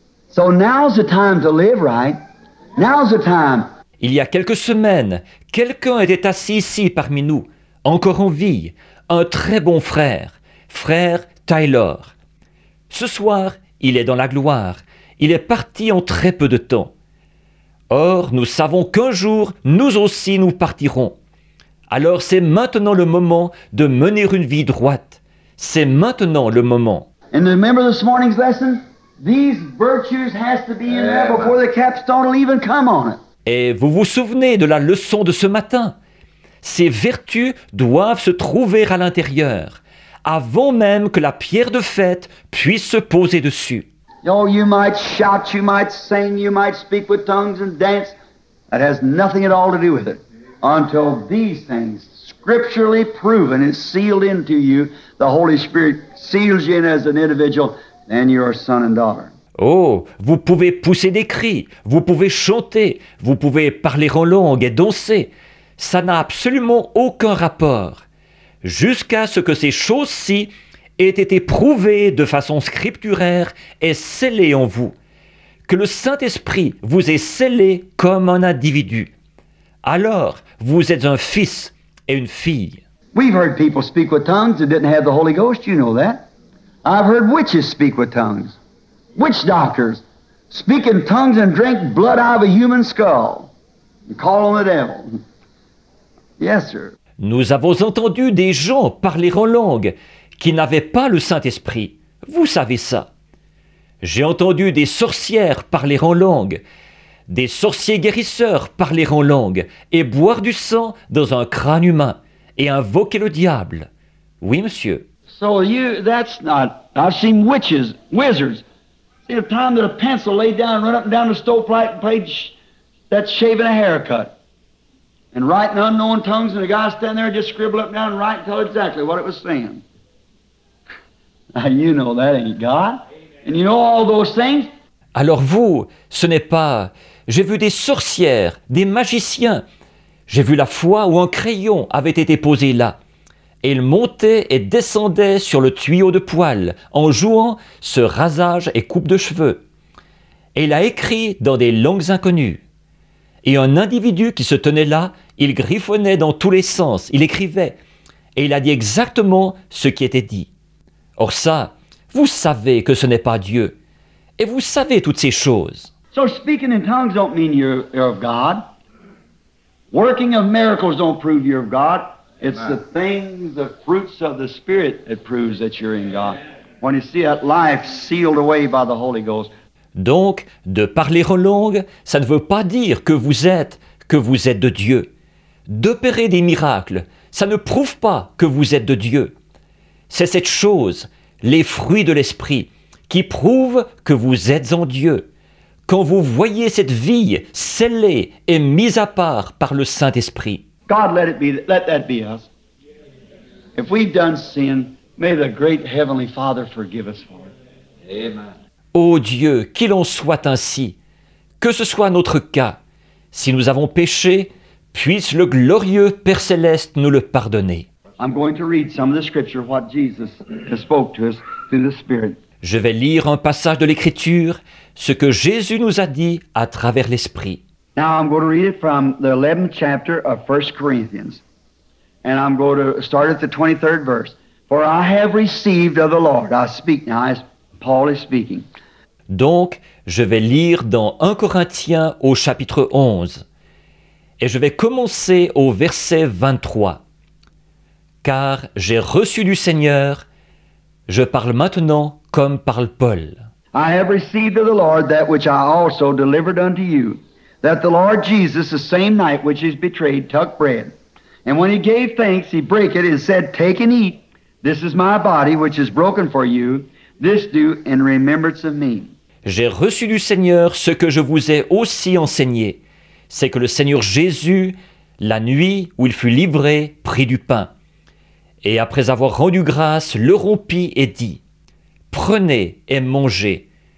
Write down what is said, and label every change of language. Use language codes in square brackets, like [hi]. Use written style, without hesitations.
[en] So now's the time to live right. Now's the time. [fr] Il y a quelques semaines, quelqu'un était assis ici parmi nous, encore en vie, un très bon frère, frère Taylor. Ce soir, il est dans la gloire, il est parti en très peu de temps. Or, nous savons qu'un jour, nous aussi nous partirons. Alors c'est maintenant le moment de mener une vie droite. C'est maintenant le moment. [en] And remember this morning's lesson? These virtues has to be in there before the capstone will even come on it. [fr] Et vous vous souvenez de la leçon de ce matin? Ces vertus doivent se trouver à l'intérieur, avant même que la pierre de fête puisse se poser dessus. [en] Oh, you might shout, you might sing, you might speak with tongues and dance. That has nothing at all to do with it. Until these things, scripturally proven and sealed into you, the Holy Spirit seals you in as an individual, then you are son and daughter. [fr] Oh, vous pouvez pousser des cris, vous pouvez chanter, vous pouvez parler en langue et danser. Ça n'a absolument aucun rapport. Jusqu'à ce que ces choses-ci aient été prouvées de façon scripturaire et scellées en vous. Que le Saint-Esprit vous ait scellé comme un individu. Alors, vous êtes un fils et une fille. [en] We've heard people speak with tongues that didn't have the Holy Ghost, you know that. I've heard witches speak with tongues. Witch doctors speak in tongues and drink blood out of a human skull and call on the devil. Yes, sir. [fr] Nous avons entendu des gens parler en langue qui n'avaient pas le Saint-Esprit. Vous savez ça. J'ai entendu des sorcières parler en langue, des sorciers guérisseurs parler en langue et boire du sang dans un crâne humain et invoquer le diable. Oui, monsieur. [en] So you, that's not, I've seen witches, wizards. In the time that a pencil laid down, run up and down the stovepipe and played that shaving a haircut. And write in unknown tongues, and the guy standing there just scribble up and down and write and tell exactly what it was saying. Now you know that ain't God. And you know all those things. [fr] Alors vous, ce n'est pas... J'ai vu des sorcières, des magiciens. J'ai vu la fois où un crayon avait été posé là. Et il montait et descendait sur le tuyau de poêle en jouant ce rasage et coupe de cheveux. Et il a écrit dans des langues inconnues. Et un individu qui se tenait là, il griffonnait dans tous les sens, il écrivait. Et il a dit exactement ce qui était dit. Or ça, vous savez que ce n'est pas Dieu. Et vous savez toutes ces choses. [en] So speaking in tongues don't mean you're of God. Working of miracles don't prove you're of God. It's the things, the fruits of the Spirit that proves that you're in God. When you see that life sealed away by the Holy Ghost. [fr] Donc, de parler en langue, ça ne veut pas dire que vous êtes de Dieu. D'opérer des miracles, ça ne prouve pas que vous êtes de Dieu. C'est cette chose, les fruits de l'Esprit, qui prouvent que vous êtes en Dieu. Quand vous voyez cette vie scellée et mise à part par le Saint-Esprit. [en] God, let that be us. If we've done sin, may the great heavenly Father forgive us for it. Amen. [fr] Ô Dieu, qu'il en soit ainsi, que ce soit notre cas, si nous avons péché, puisse le glorieux Père céleste nous le pardonner. [en] I'm going to read some of the scripture what Jesus has spoke to us through the Spirit. [fr] Je vais lire un passage de l'Écriture, ce que Jésus nous a dit à travers l'Esprit. [en] Now I'm going to read it from the 11th chapter of 1 Corinthians. And I'm going to start at the 23rd verse. For I have received of the Lord. I speak now as Paul is speaking. [fr] Donc, je vais lire dans 1 Corinthiens au chapitre 11. Et je vais commencer au verset 23. Car j'ai reçu du Seigneur. Je parle maintenant comme parle Paul. [en] I have received of the Lord that which I also delivered unto you. that the Lord Jesus, the same night which he's betrayed, took bread. And when he gave thanks, he broke it and said, take and eat. This is my body, which is broken for you. This do in remembrance of me. [fr] J'ai reçu du Seigneur ce que je vous ai aussi enseigné. C'est que le Seigneur Jésus, la nuit où il fut livré, prit du pain. Et après avoir rendu grâce, le rompit et dit, prenez et mangez.